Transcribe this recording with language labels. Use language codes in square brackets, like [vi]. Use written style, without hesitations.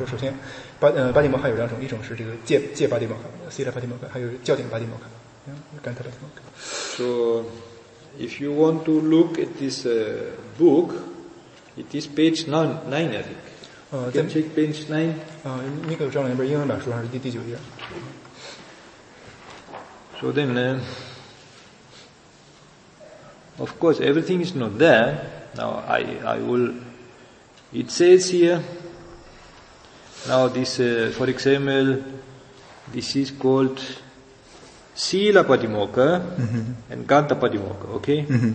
[zh] 张老师待会儿会给大家介绍一下这个巴蒂摩哈这个词，从巴利语词源上讲，它如何衍生出来的。但是他在做这件事之前，他会先给大家讲一讲这个巴蒂摩哈的分类。他说，首先巴蒂摩哈有两种，一种是这个戒巴蒂摩哈 ，Sila 巴蒂摩哈，还有教典巴蒂摩哈，Gandha 巴蒂摩哈。 [en] So, if you want to look at this book, it is page 9, I think. Can you check page 9? [zh] 那个张老师那边英文版书上是第九页。 [en] So then, of course, everything is not there. Now, I will, it says here, now this, for example, this is called Sila Patimokkha and Gandha Patimokkha, okay?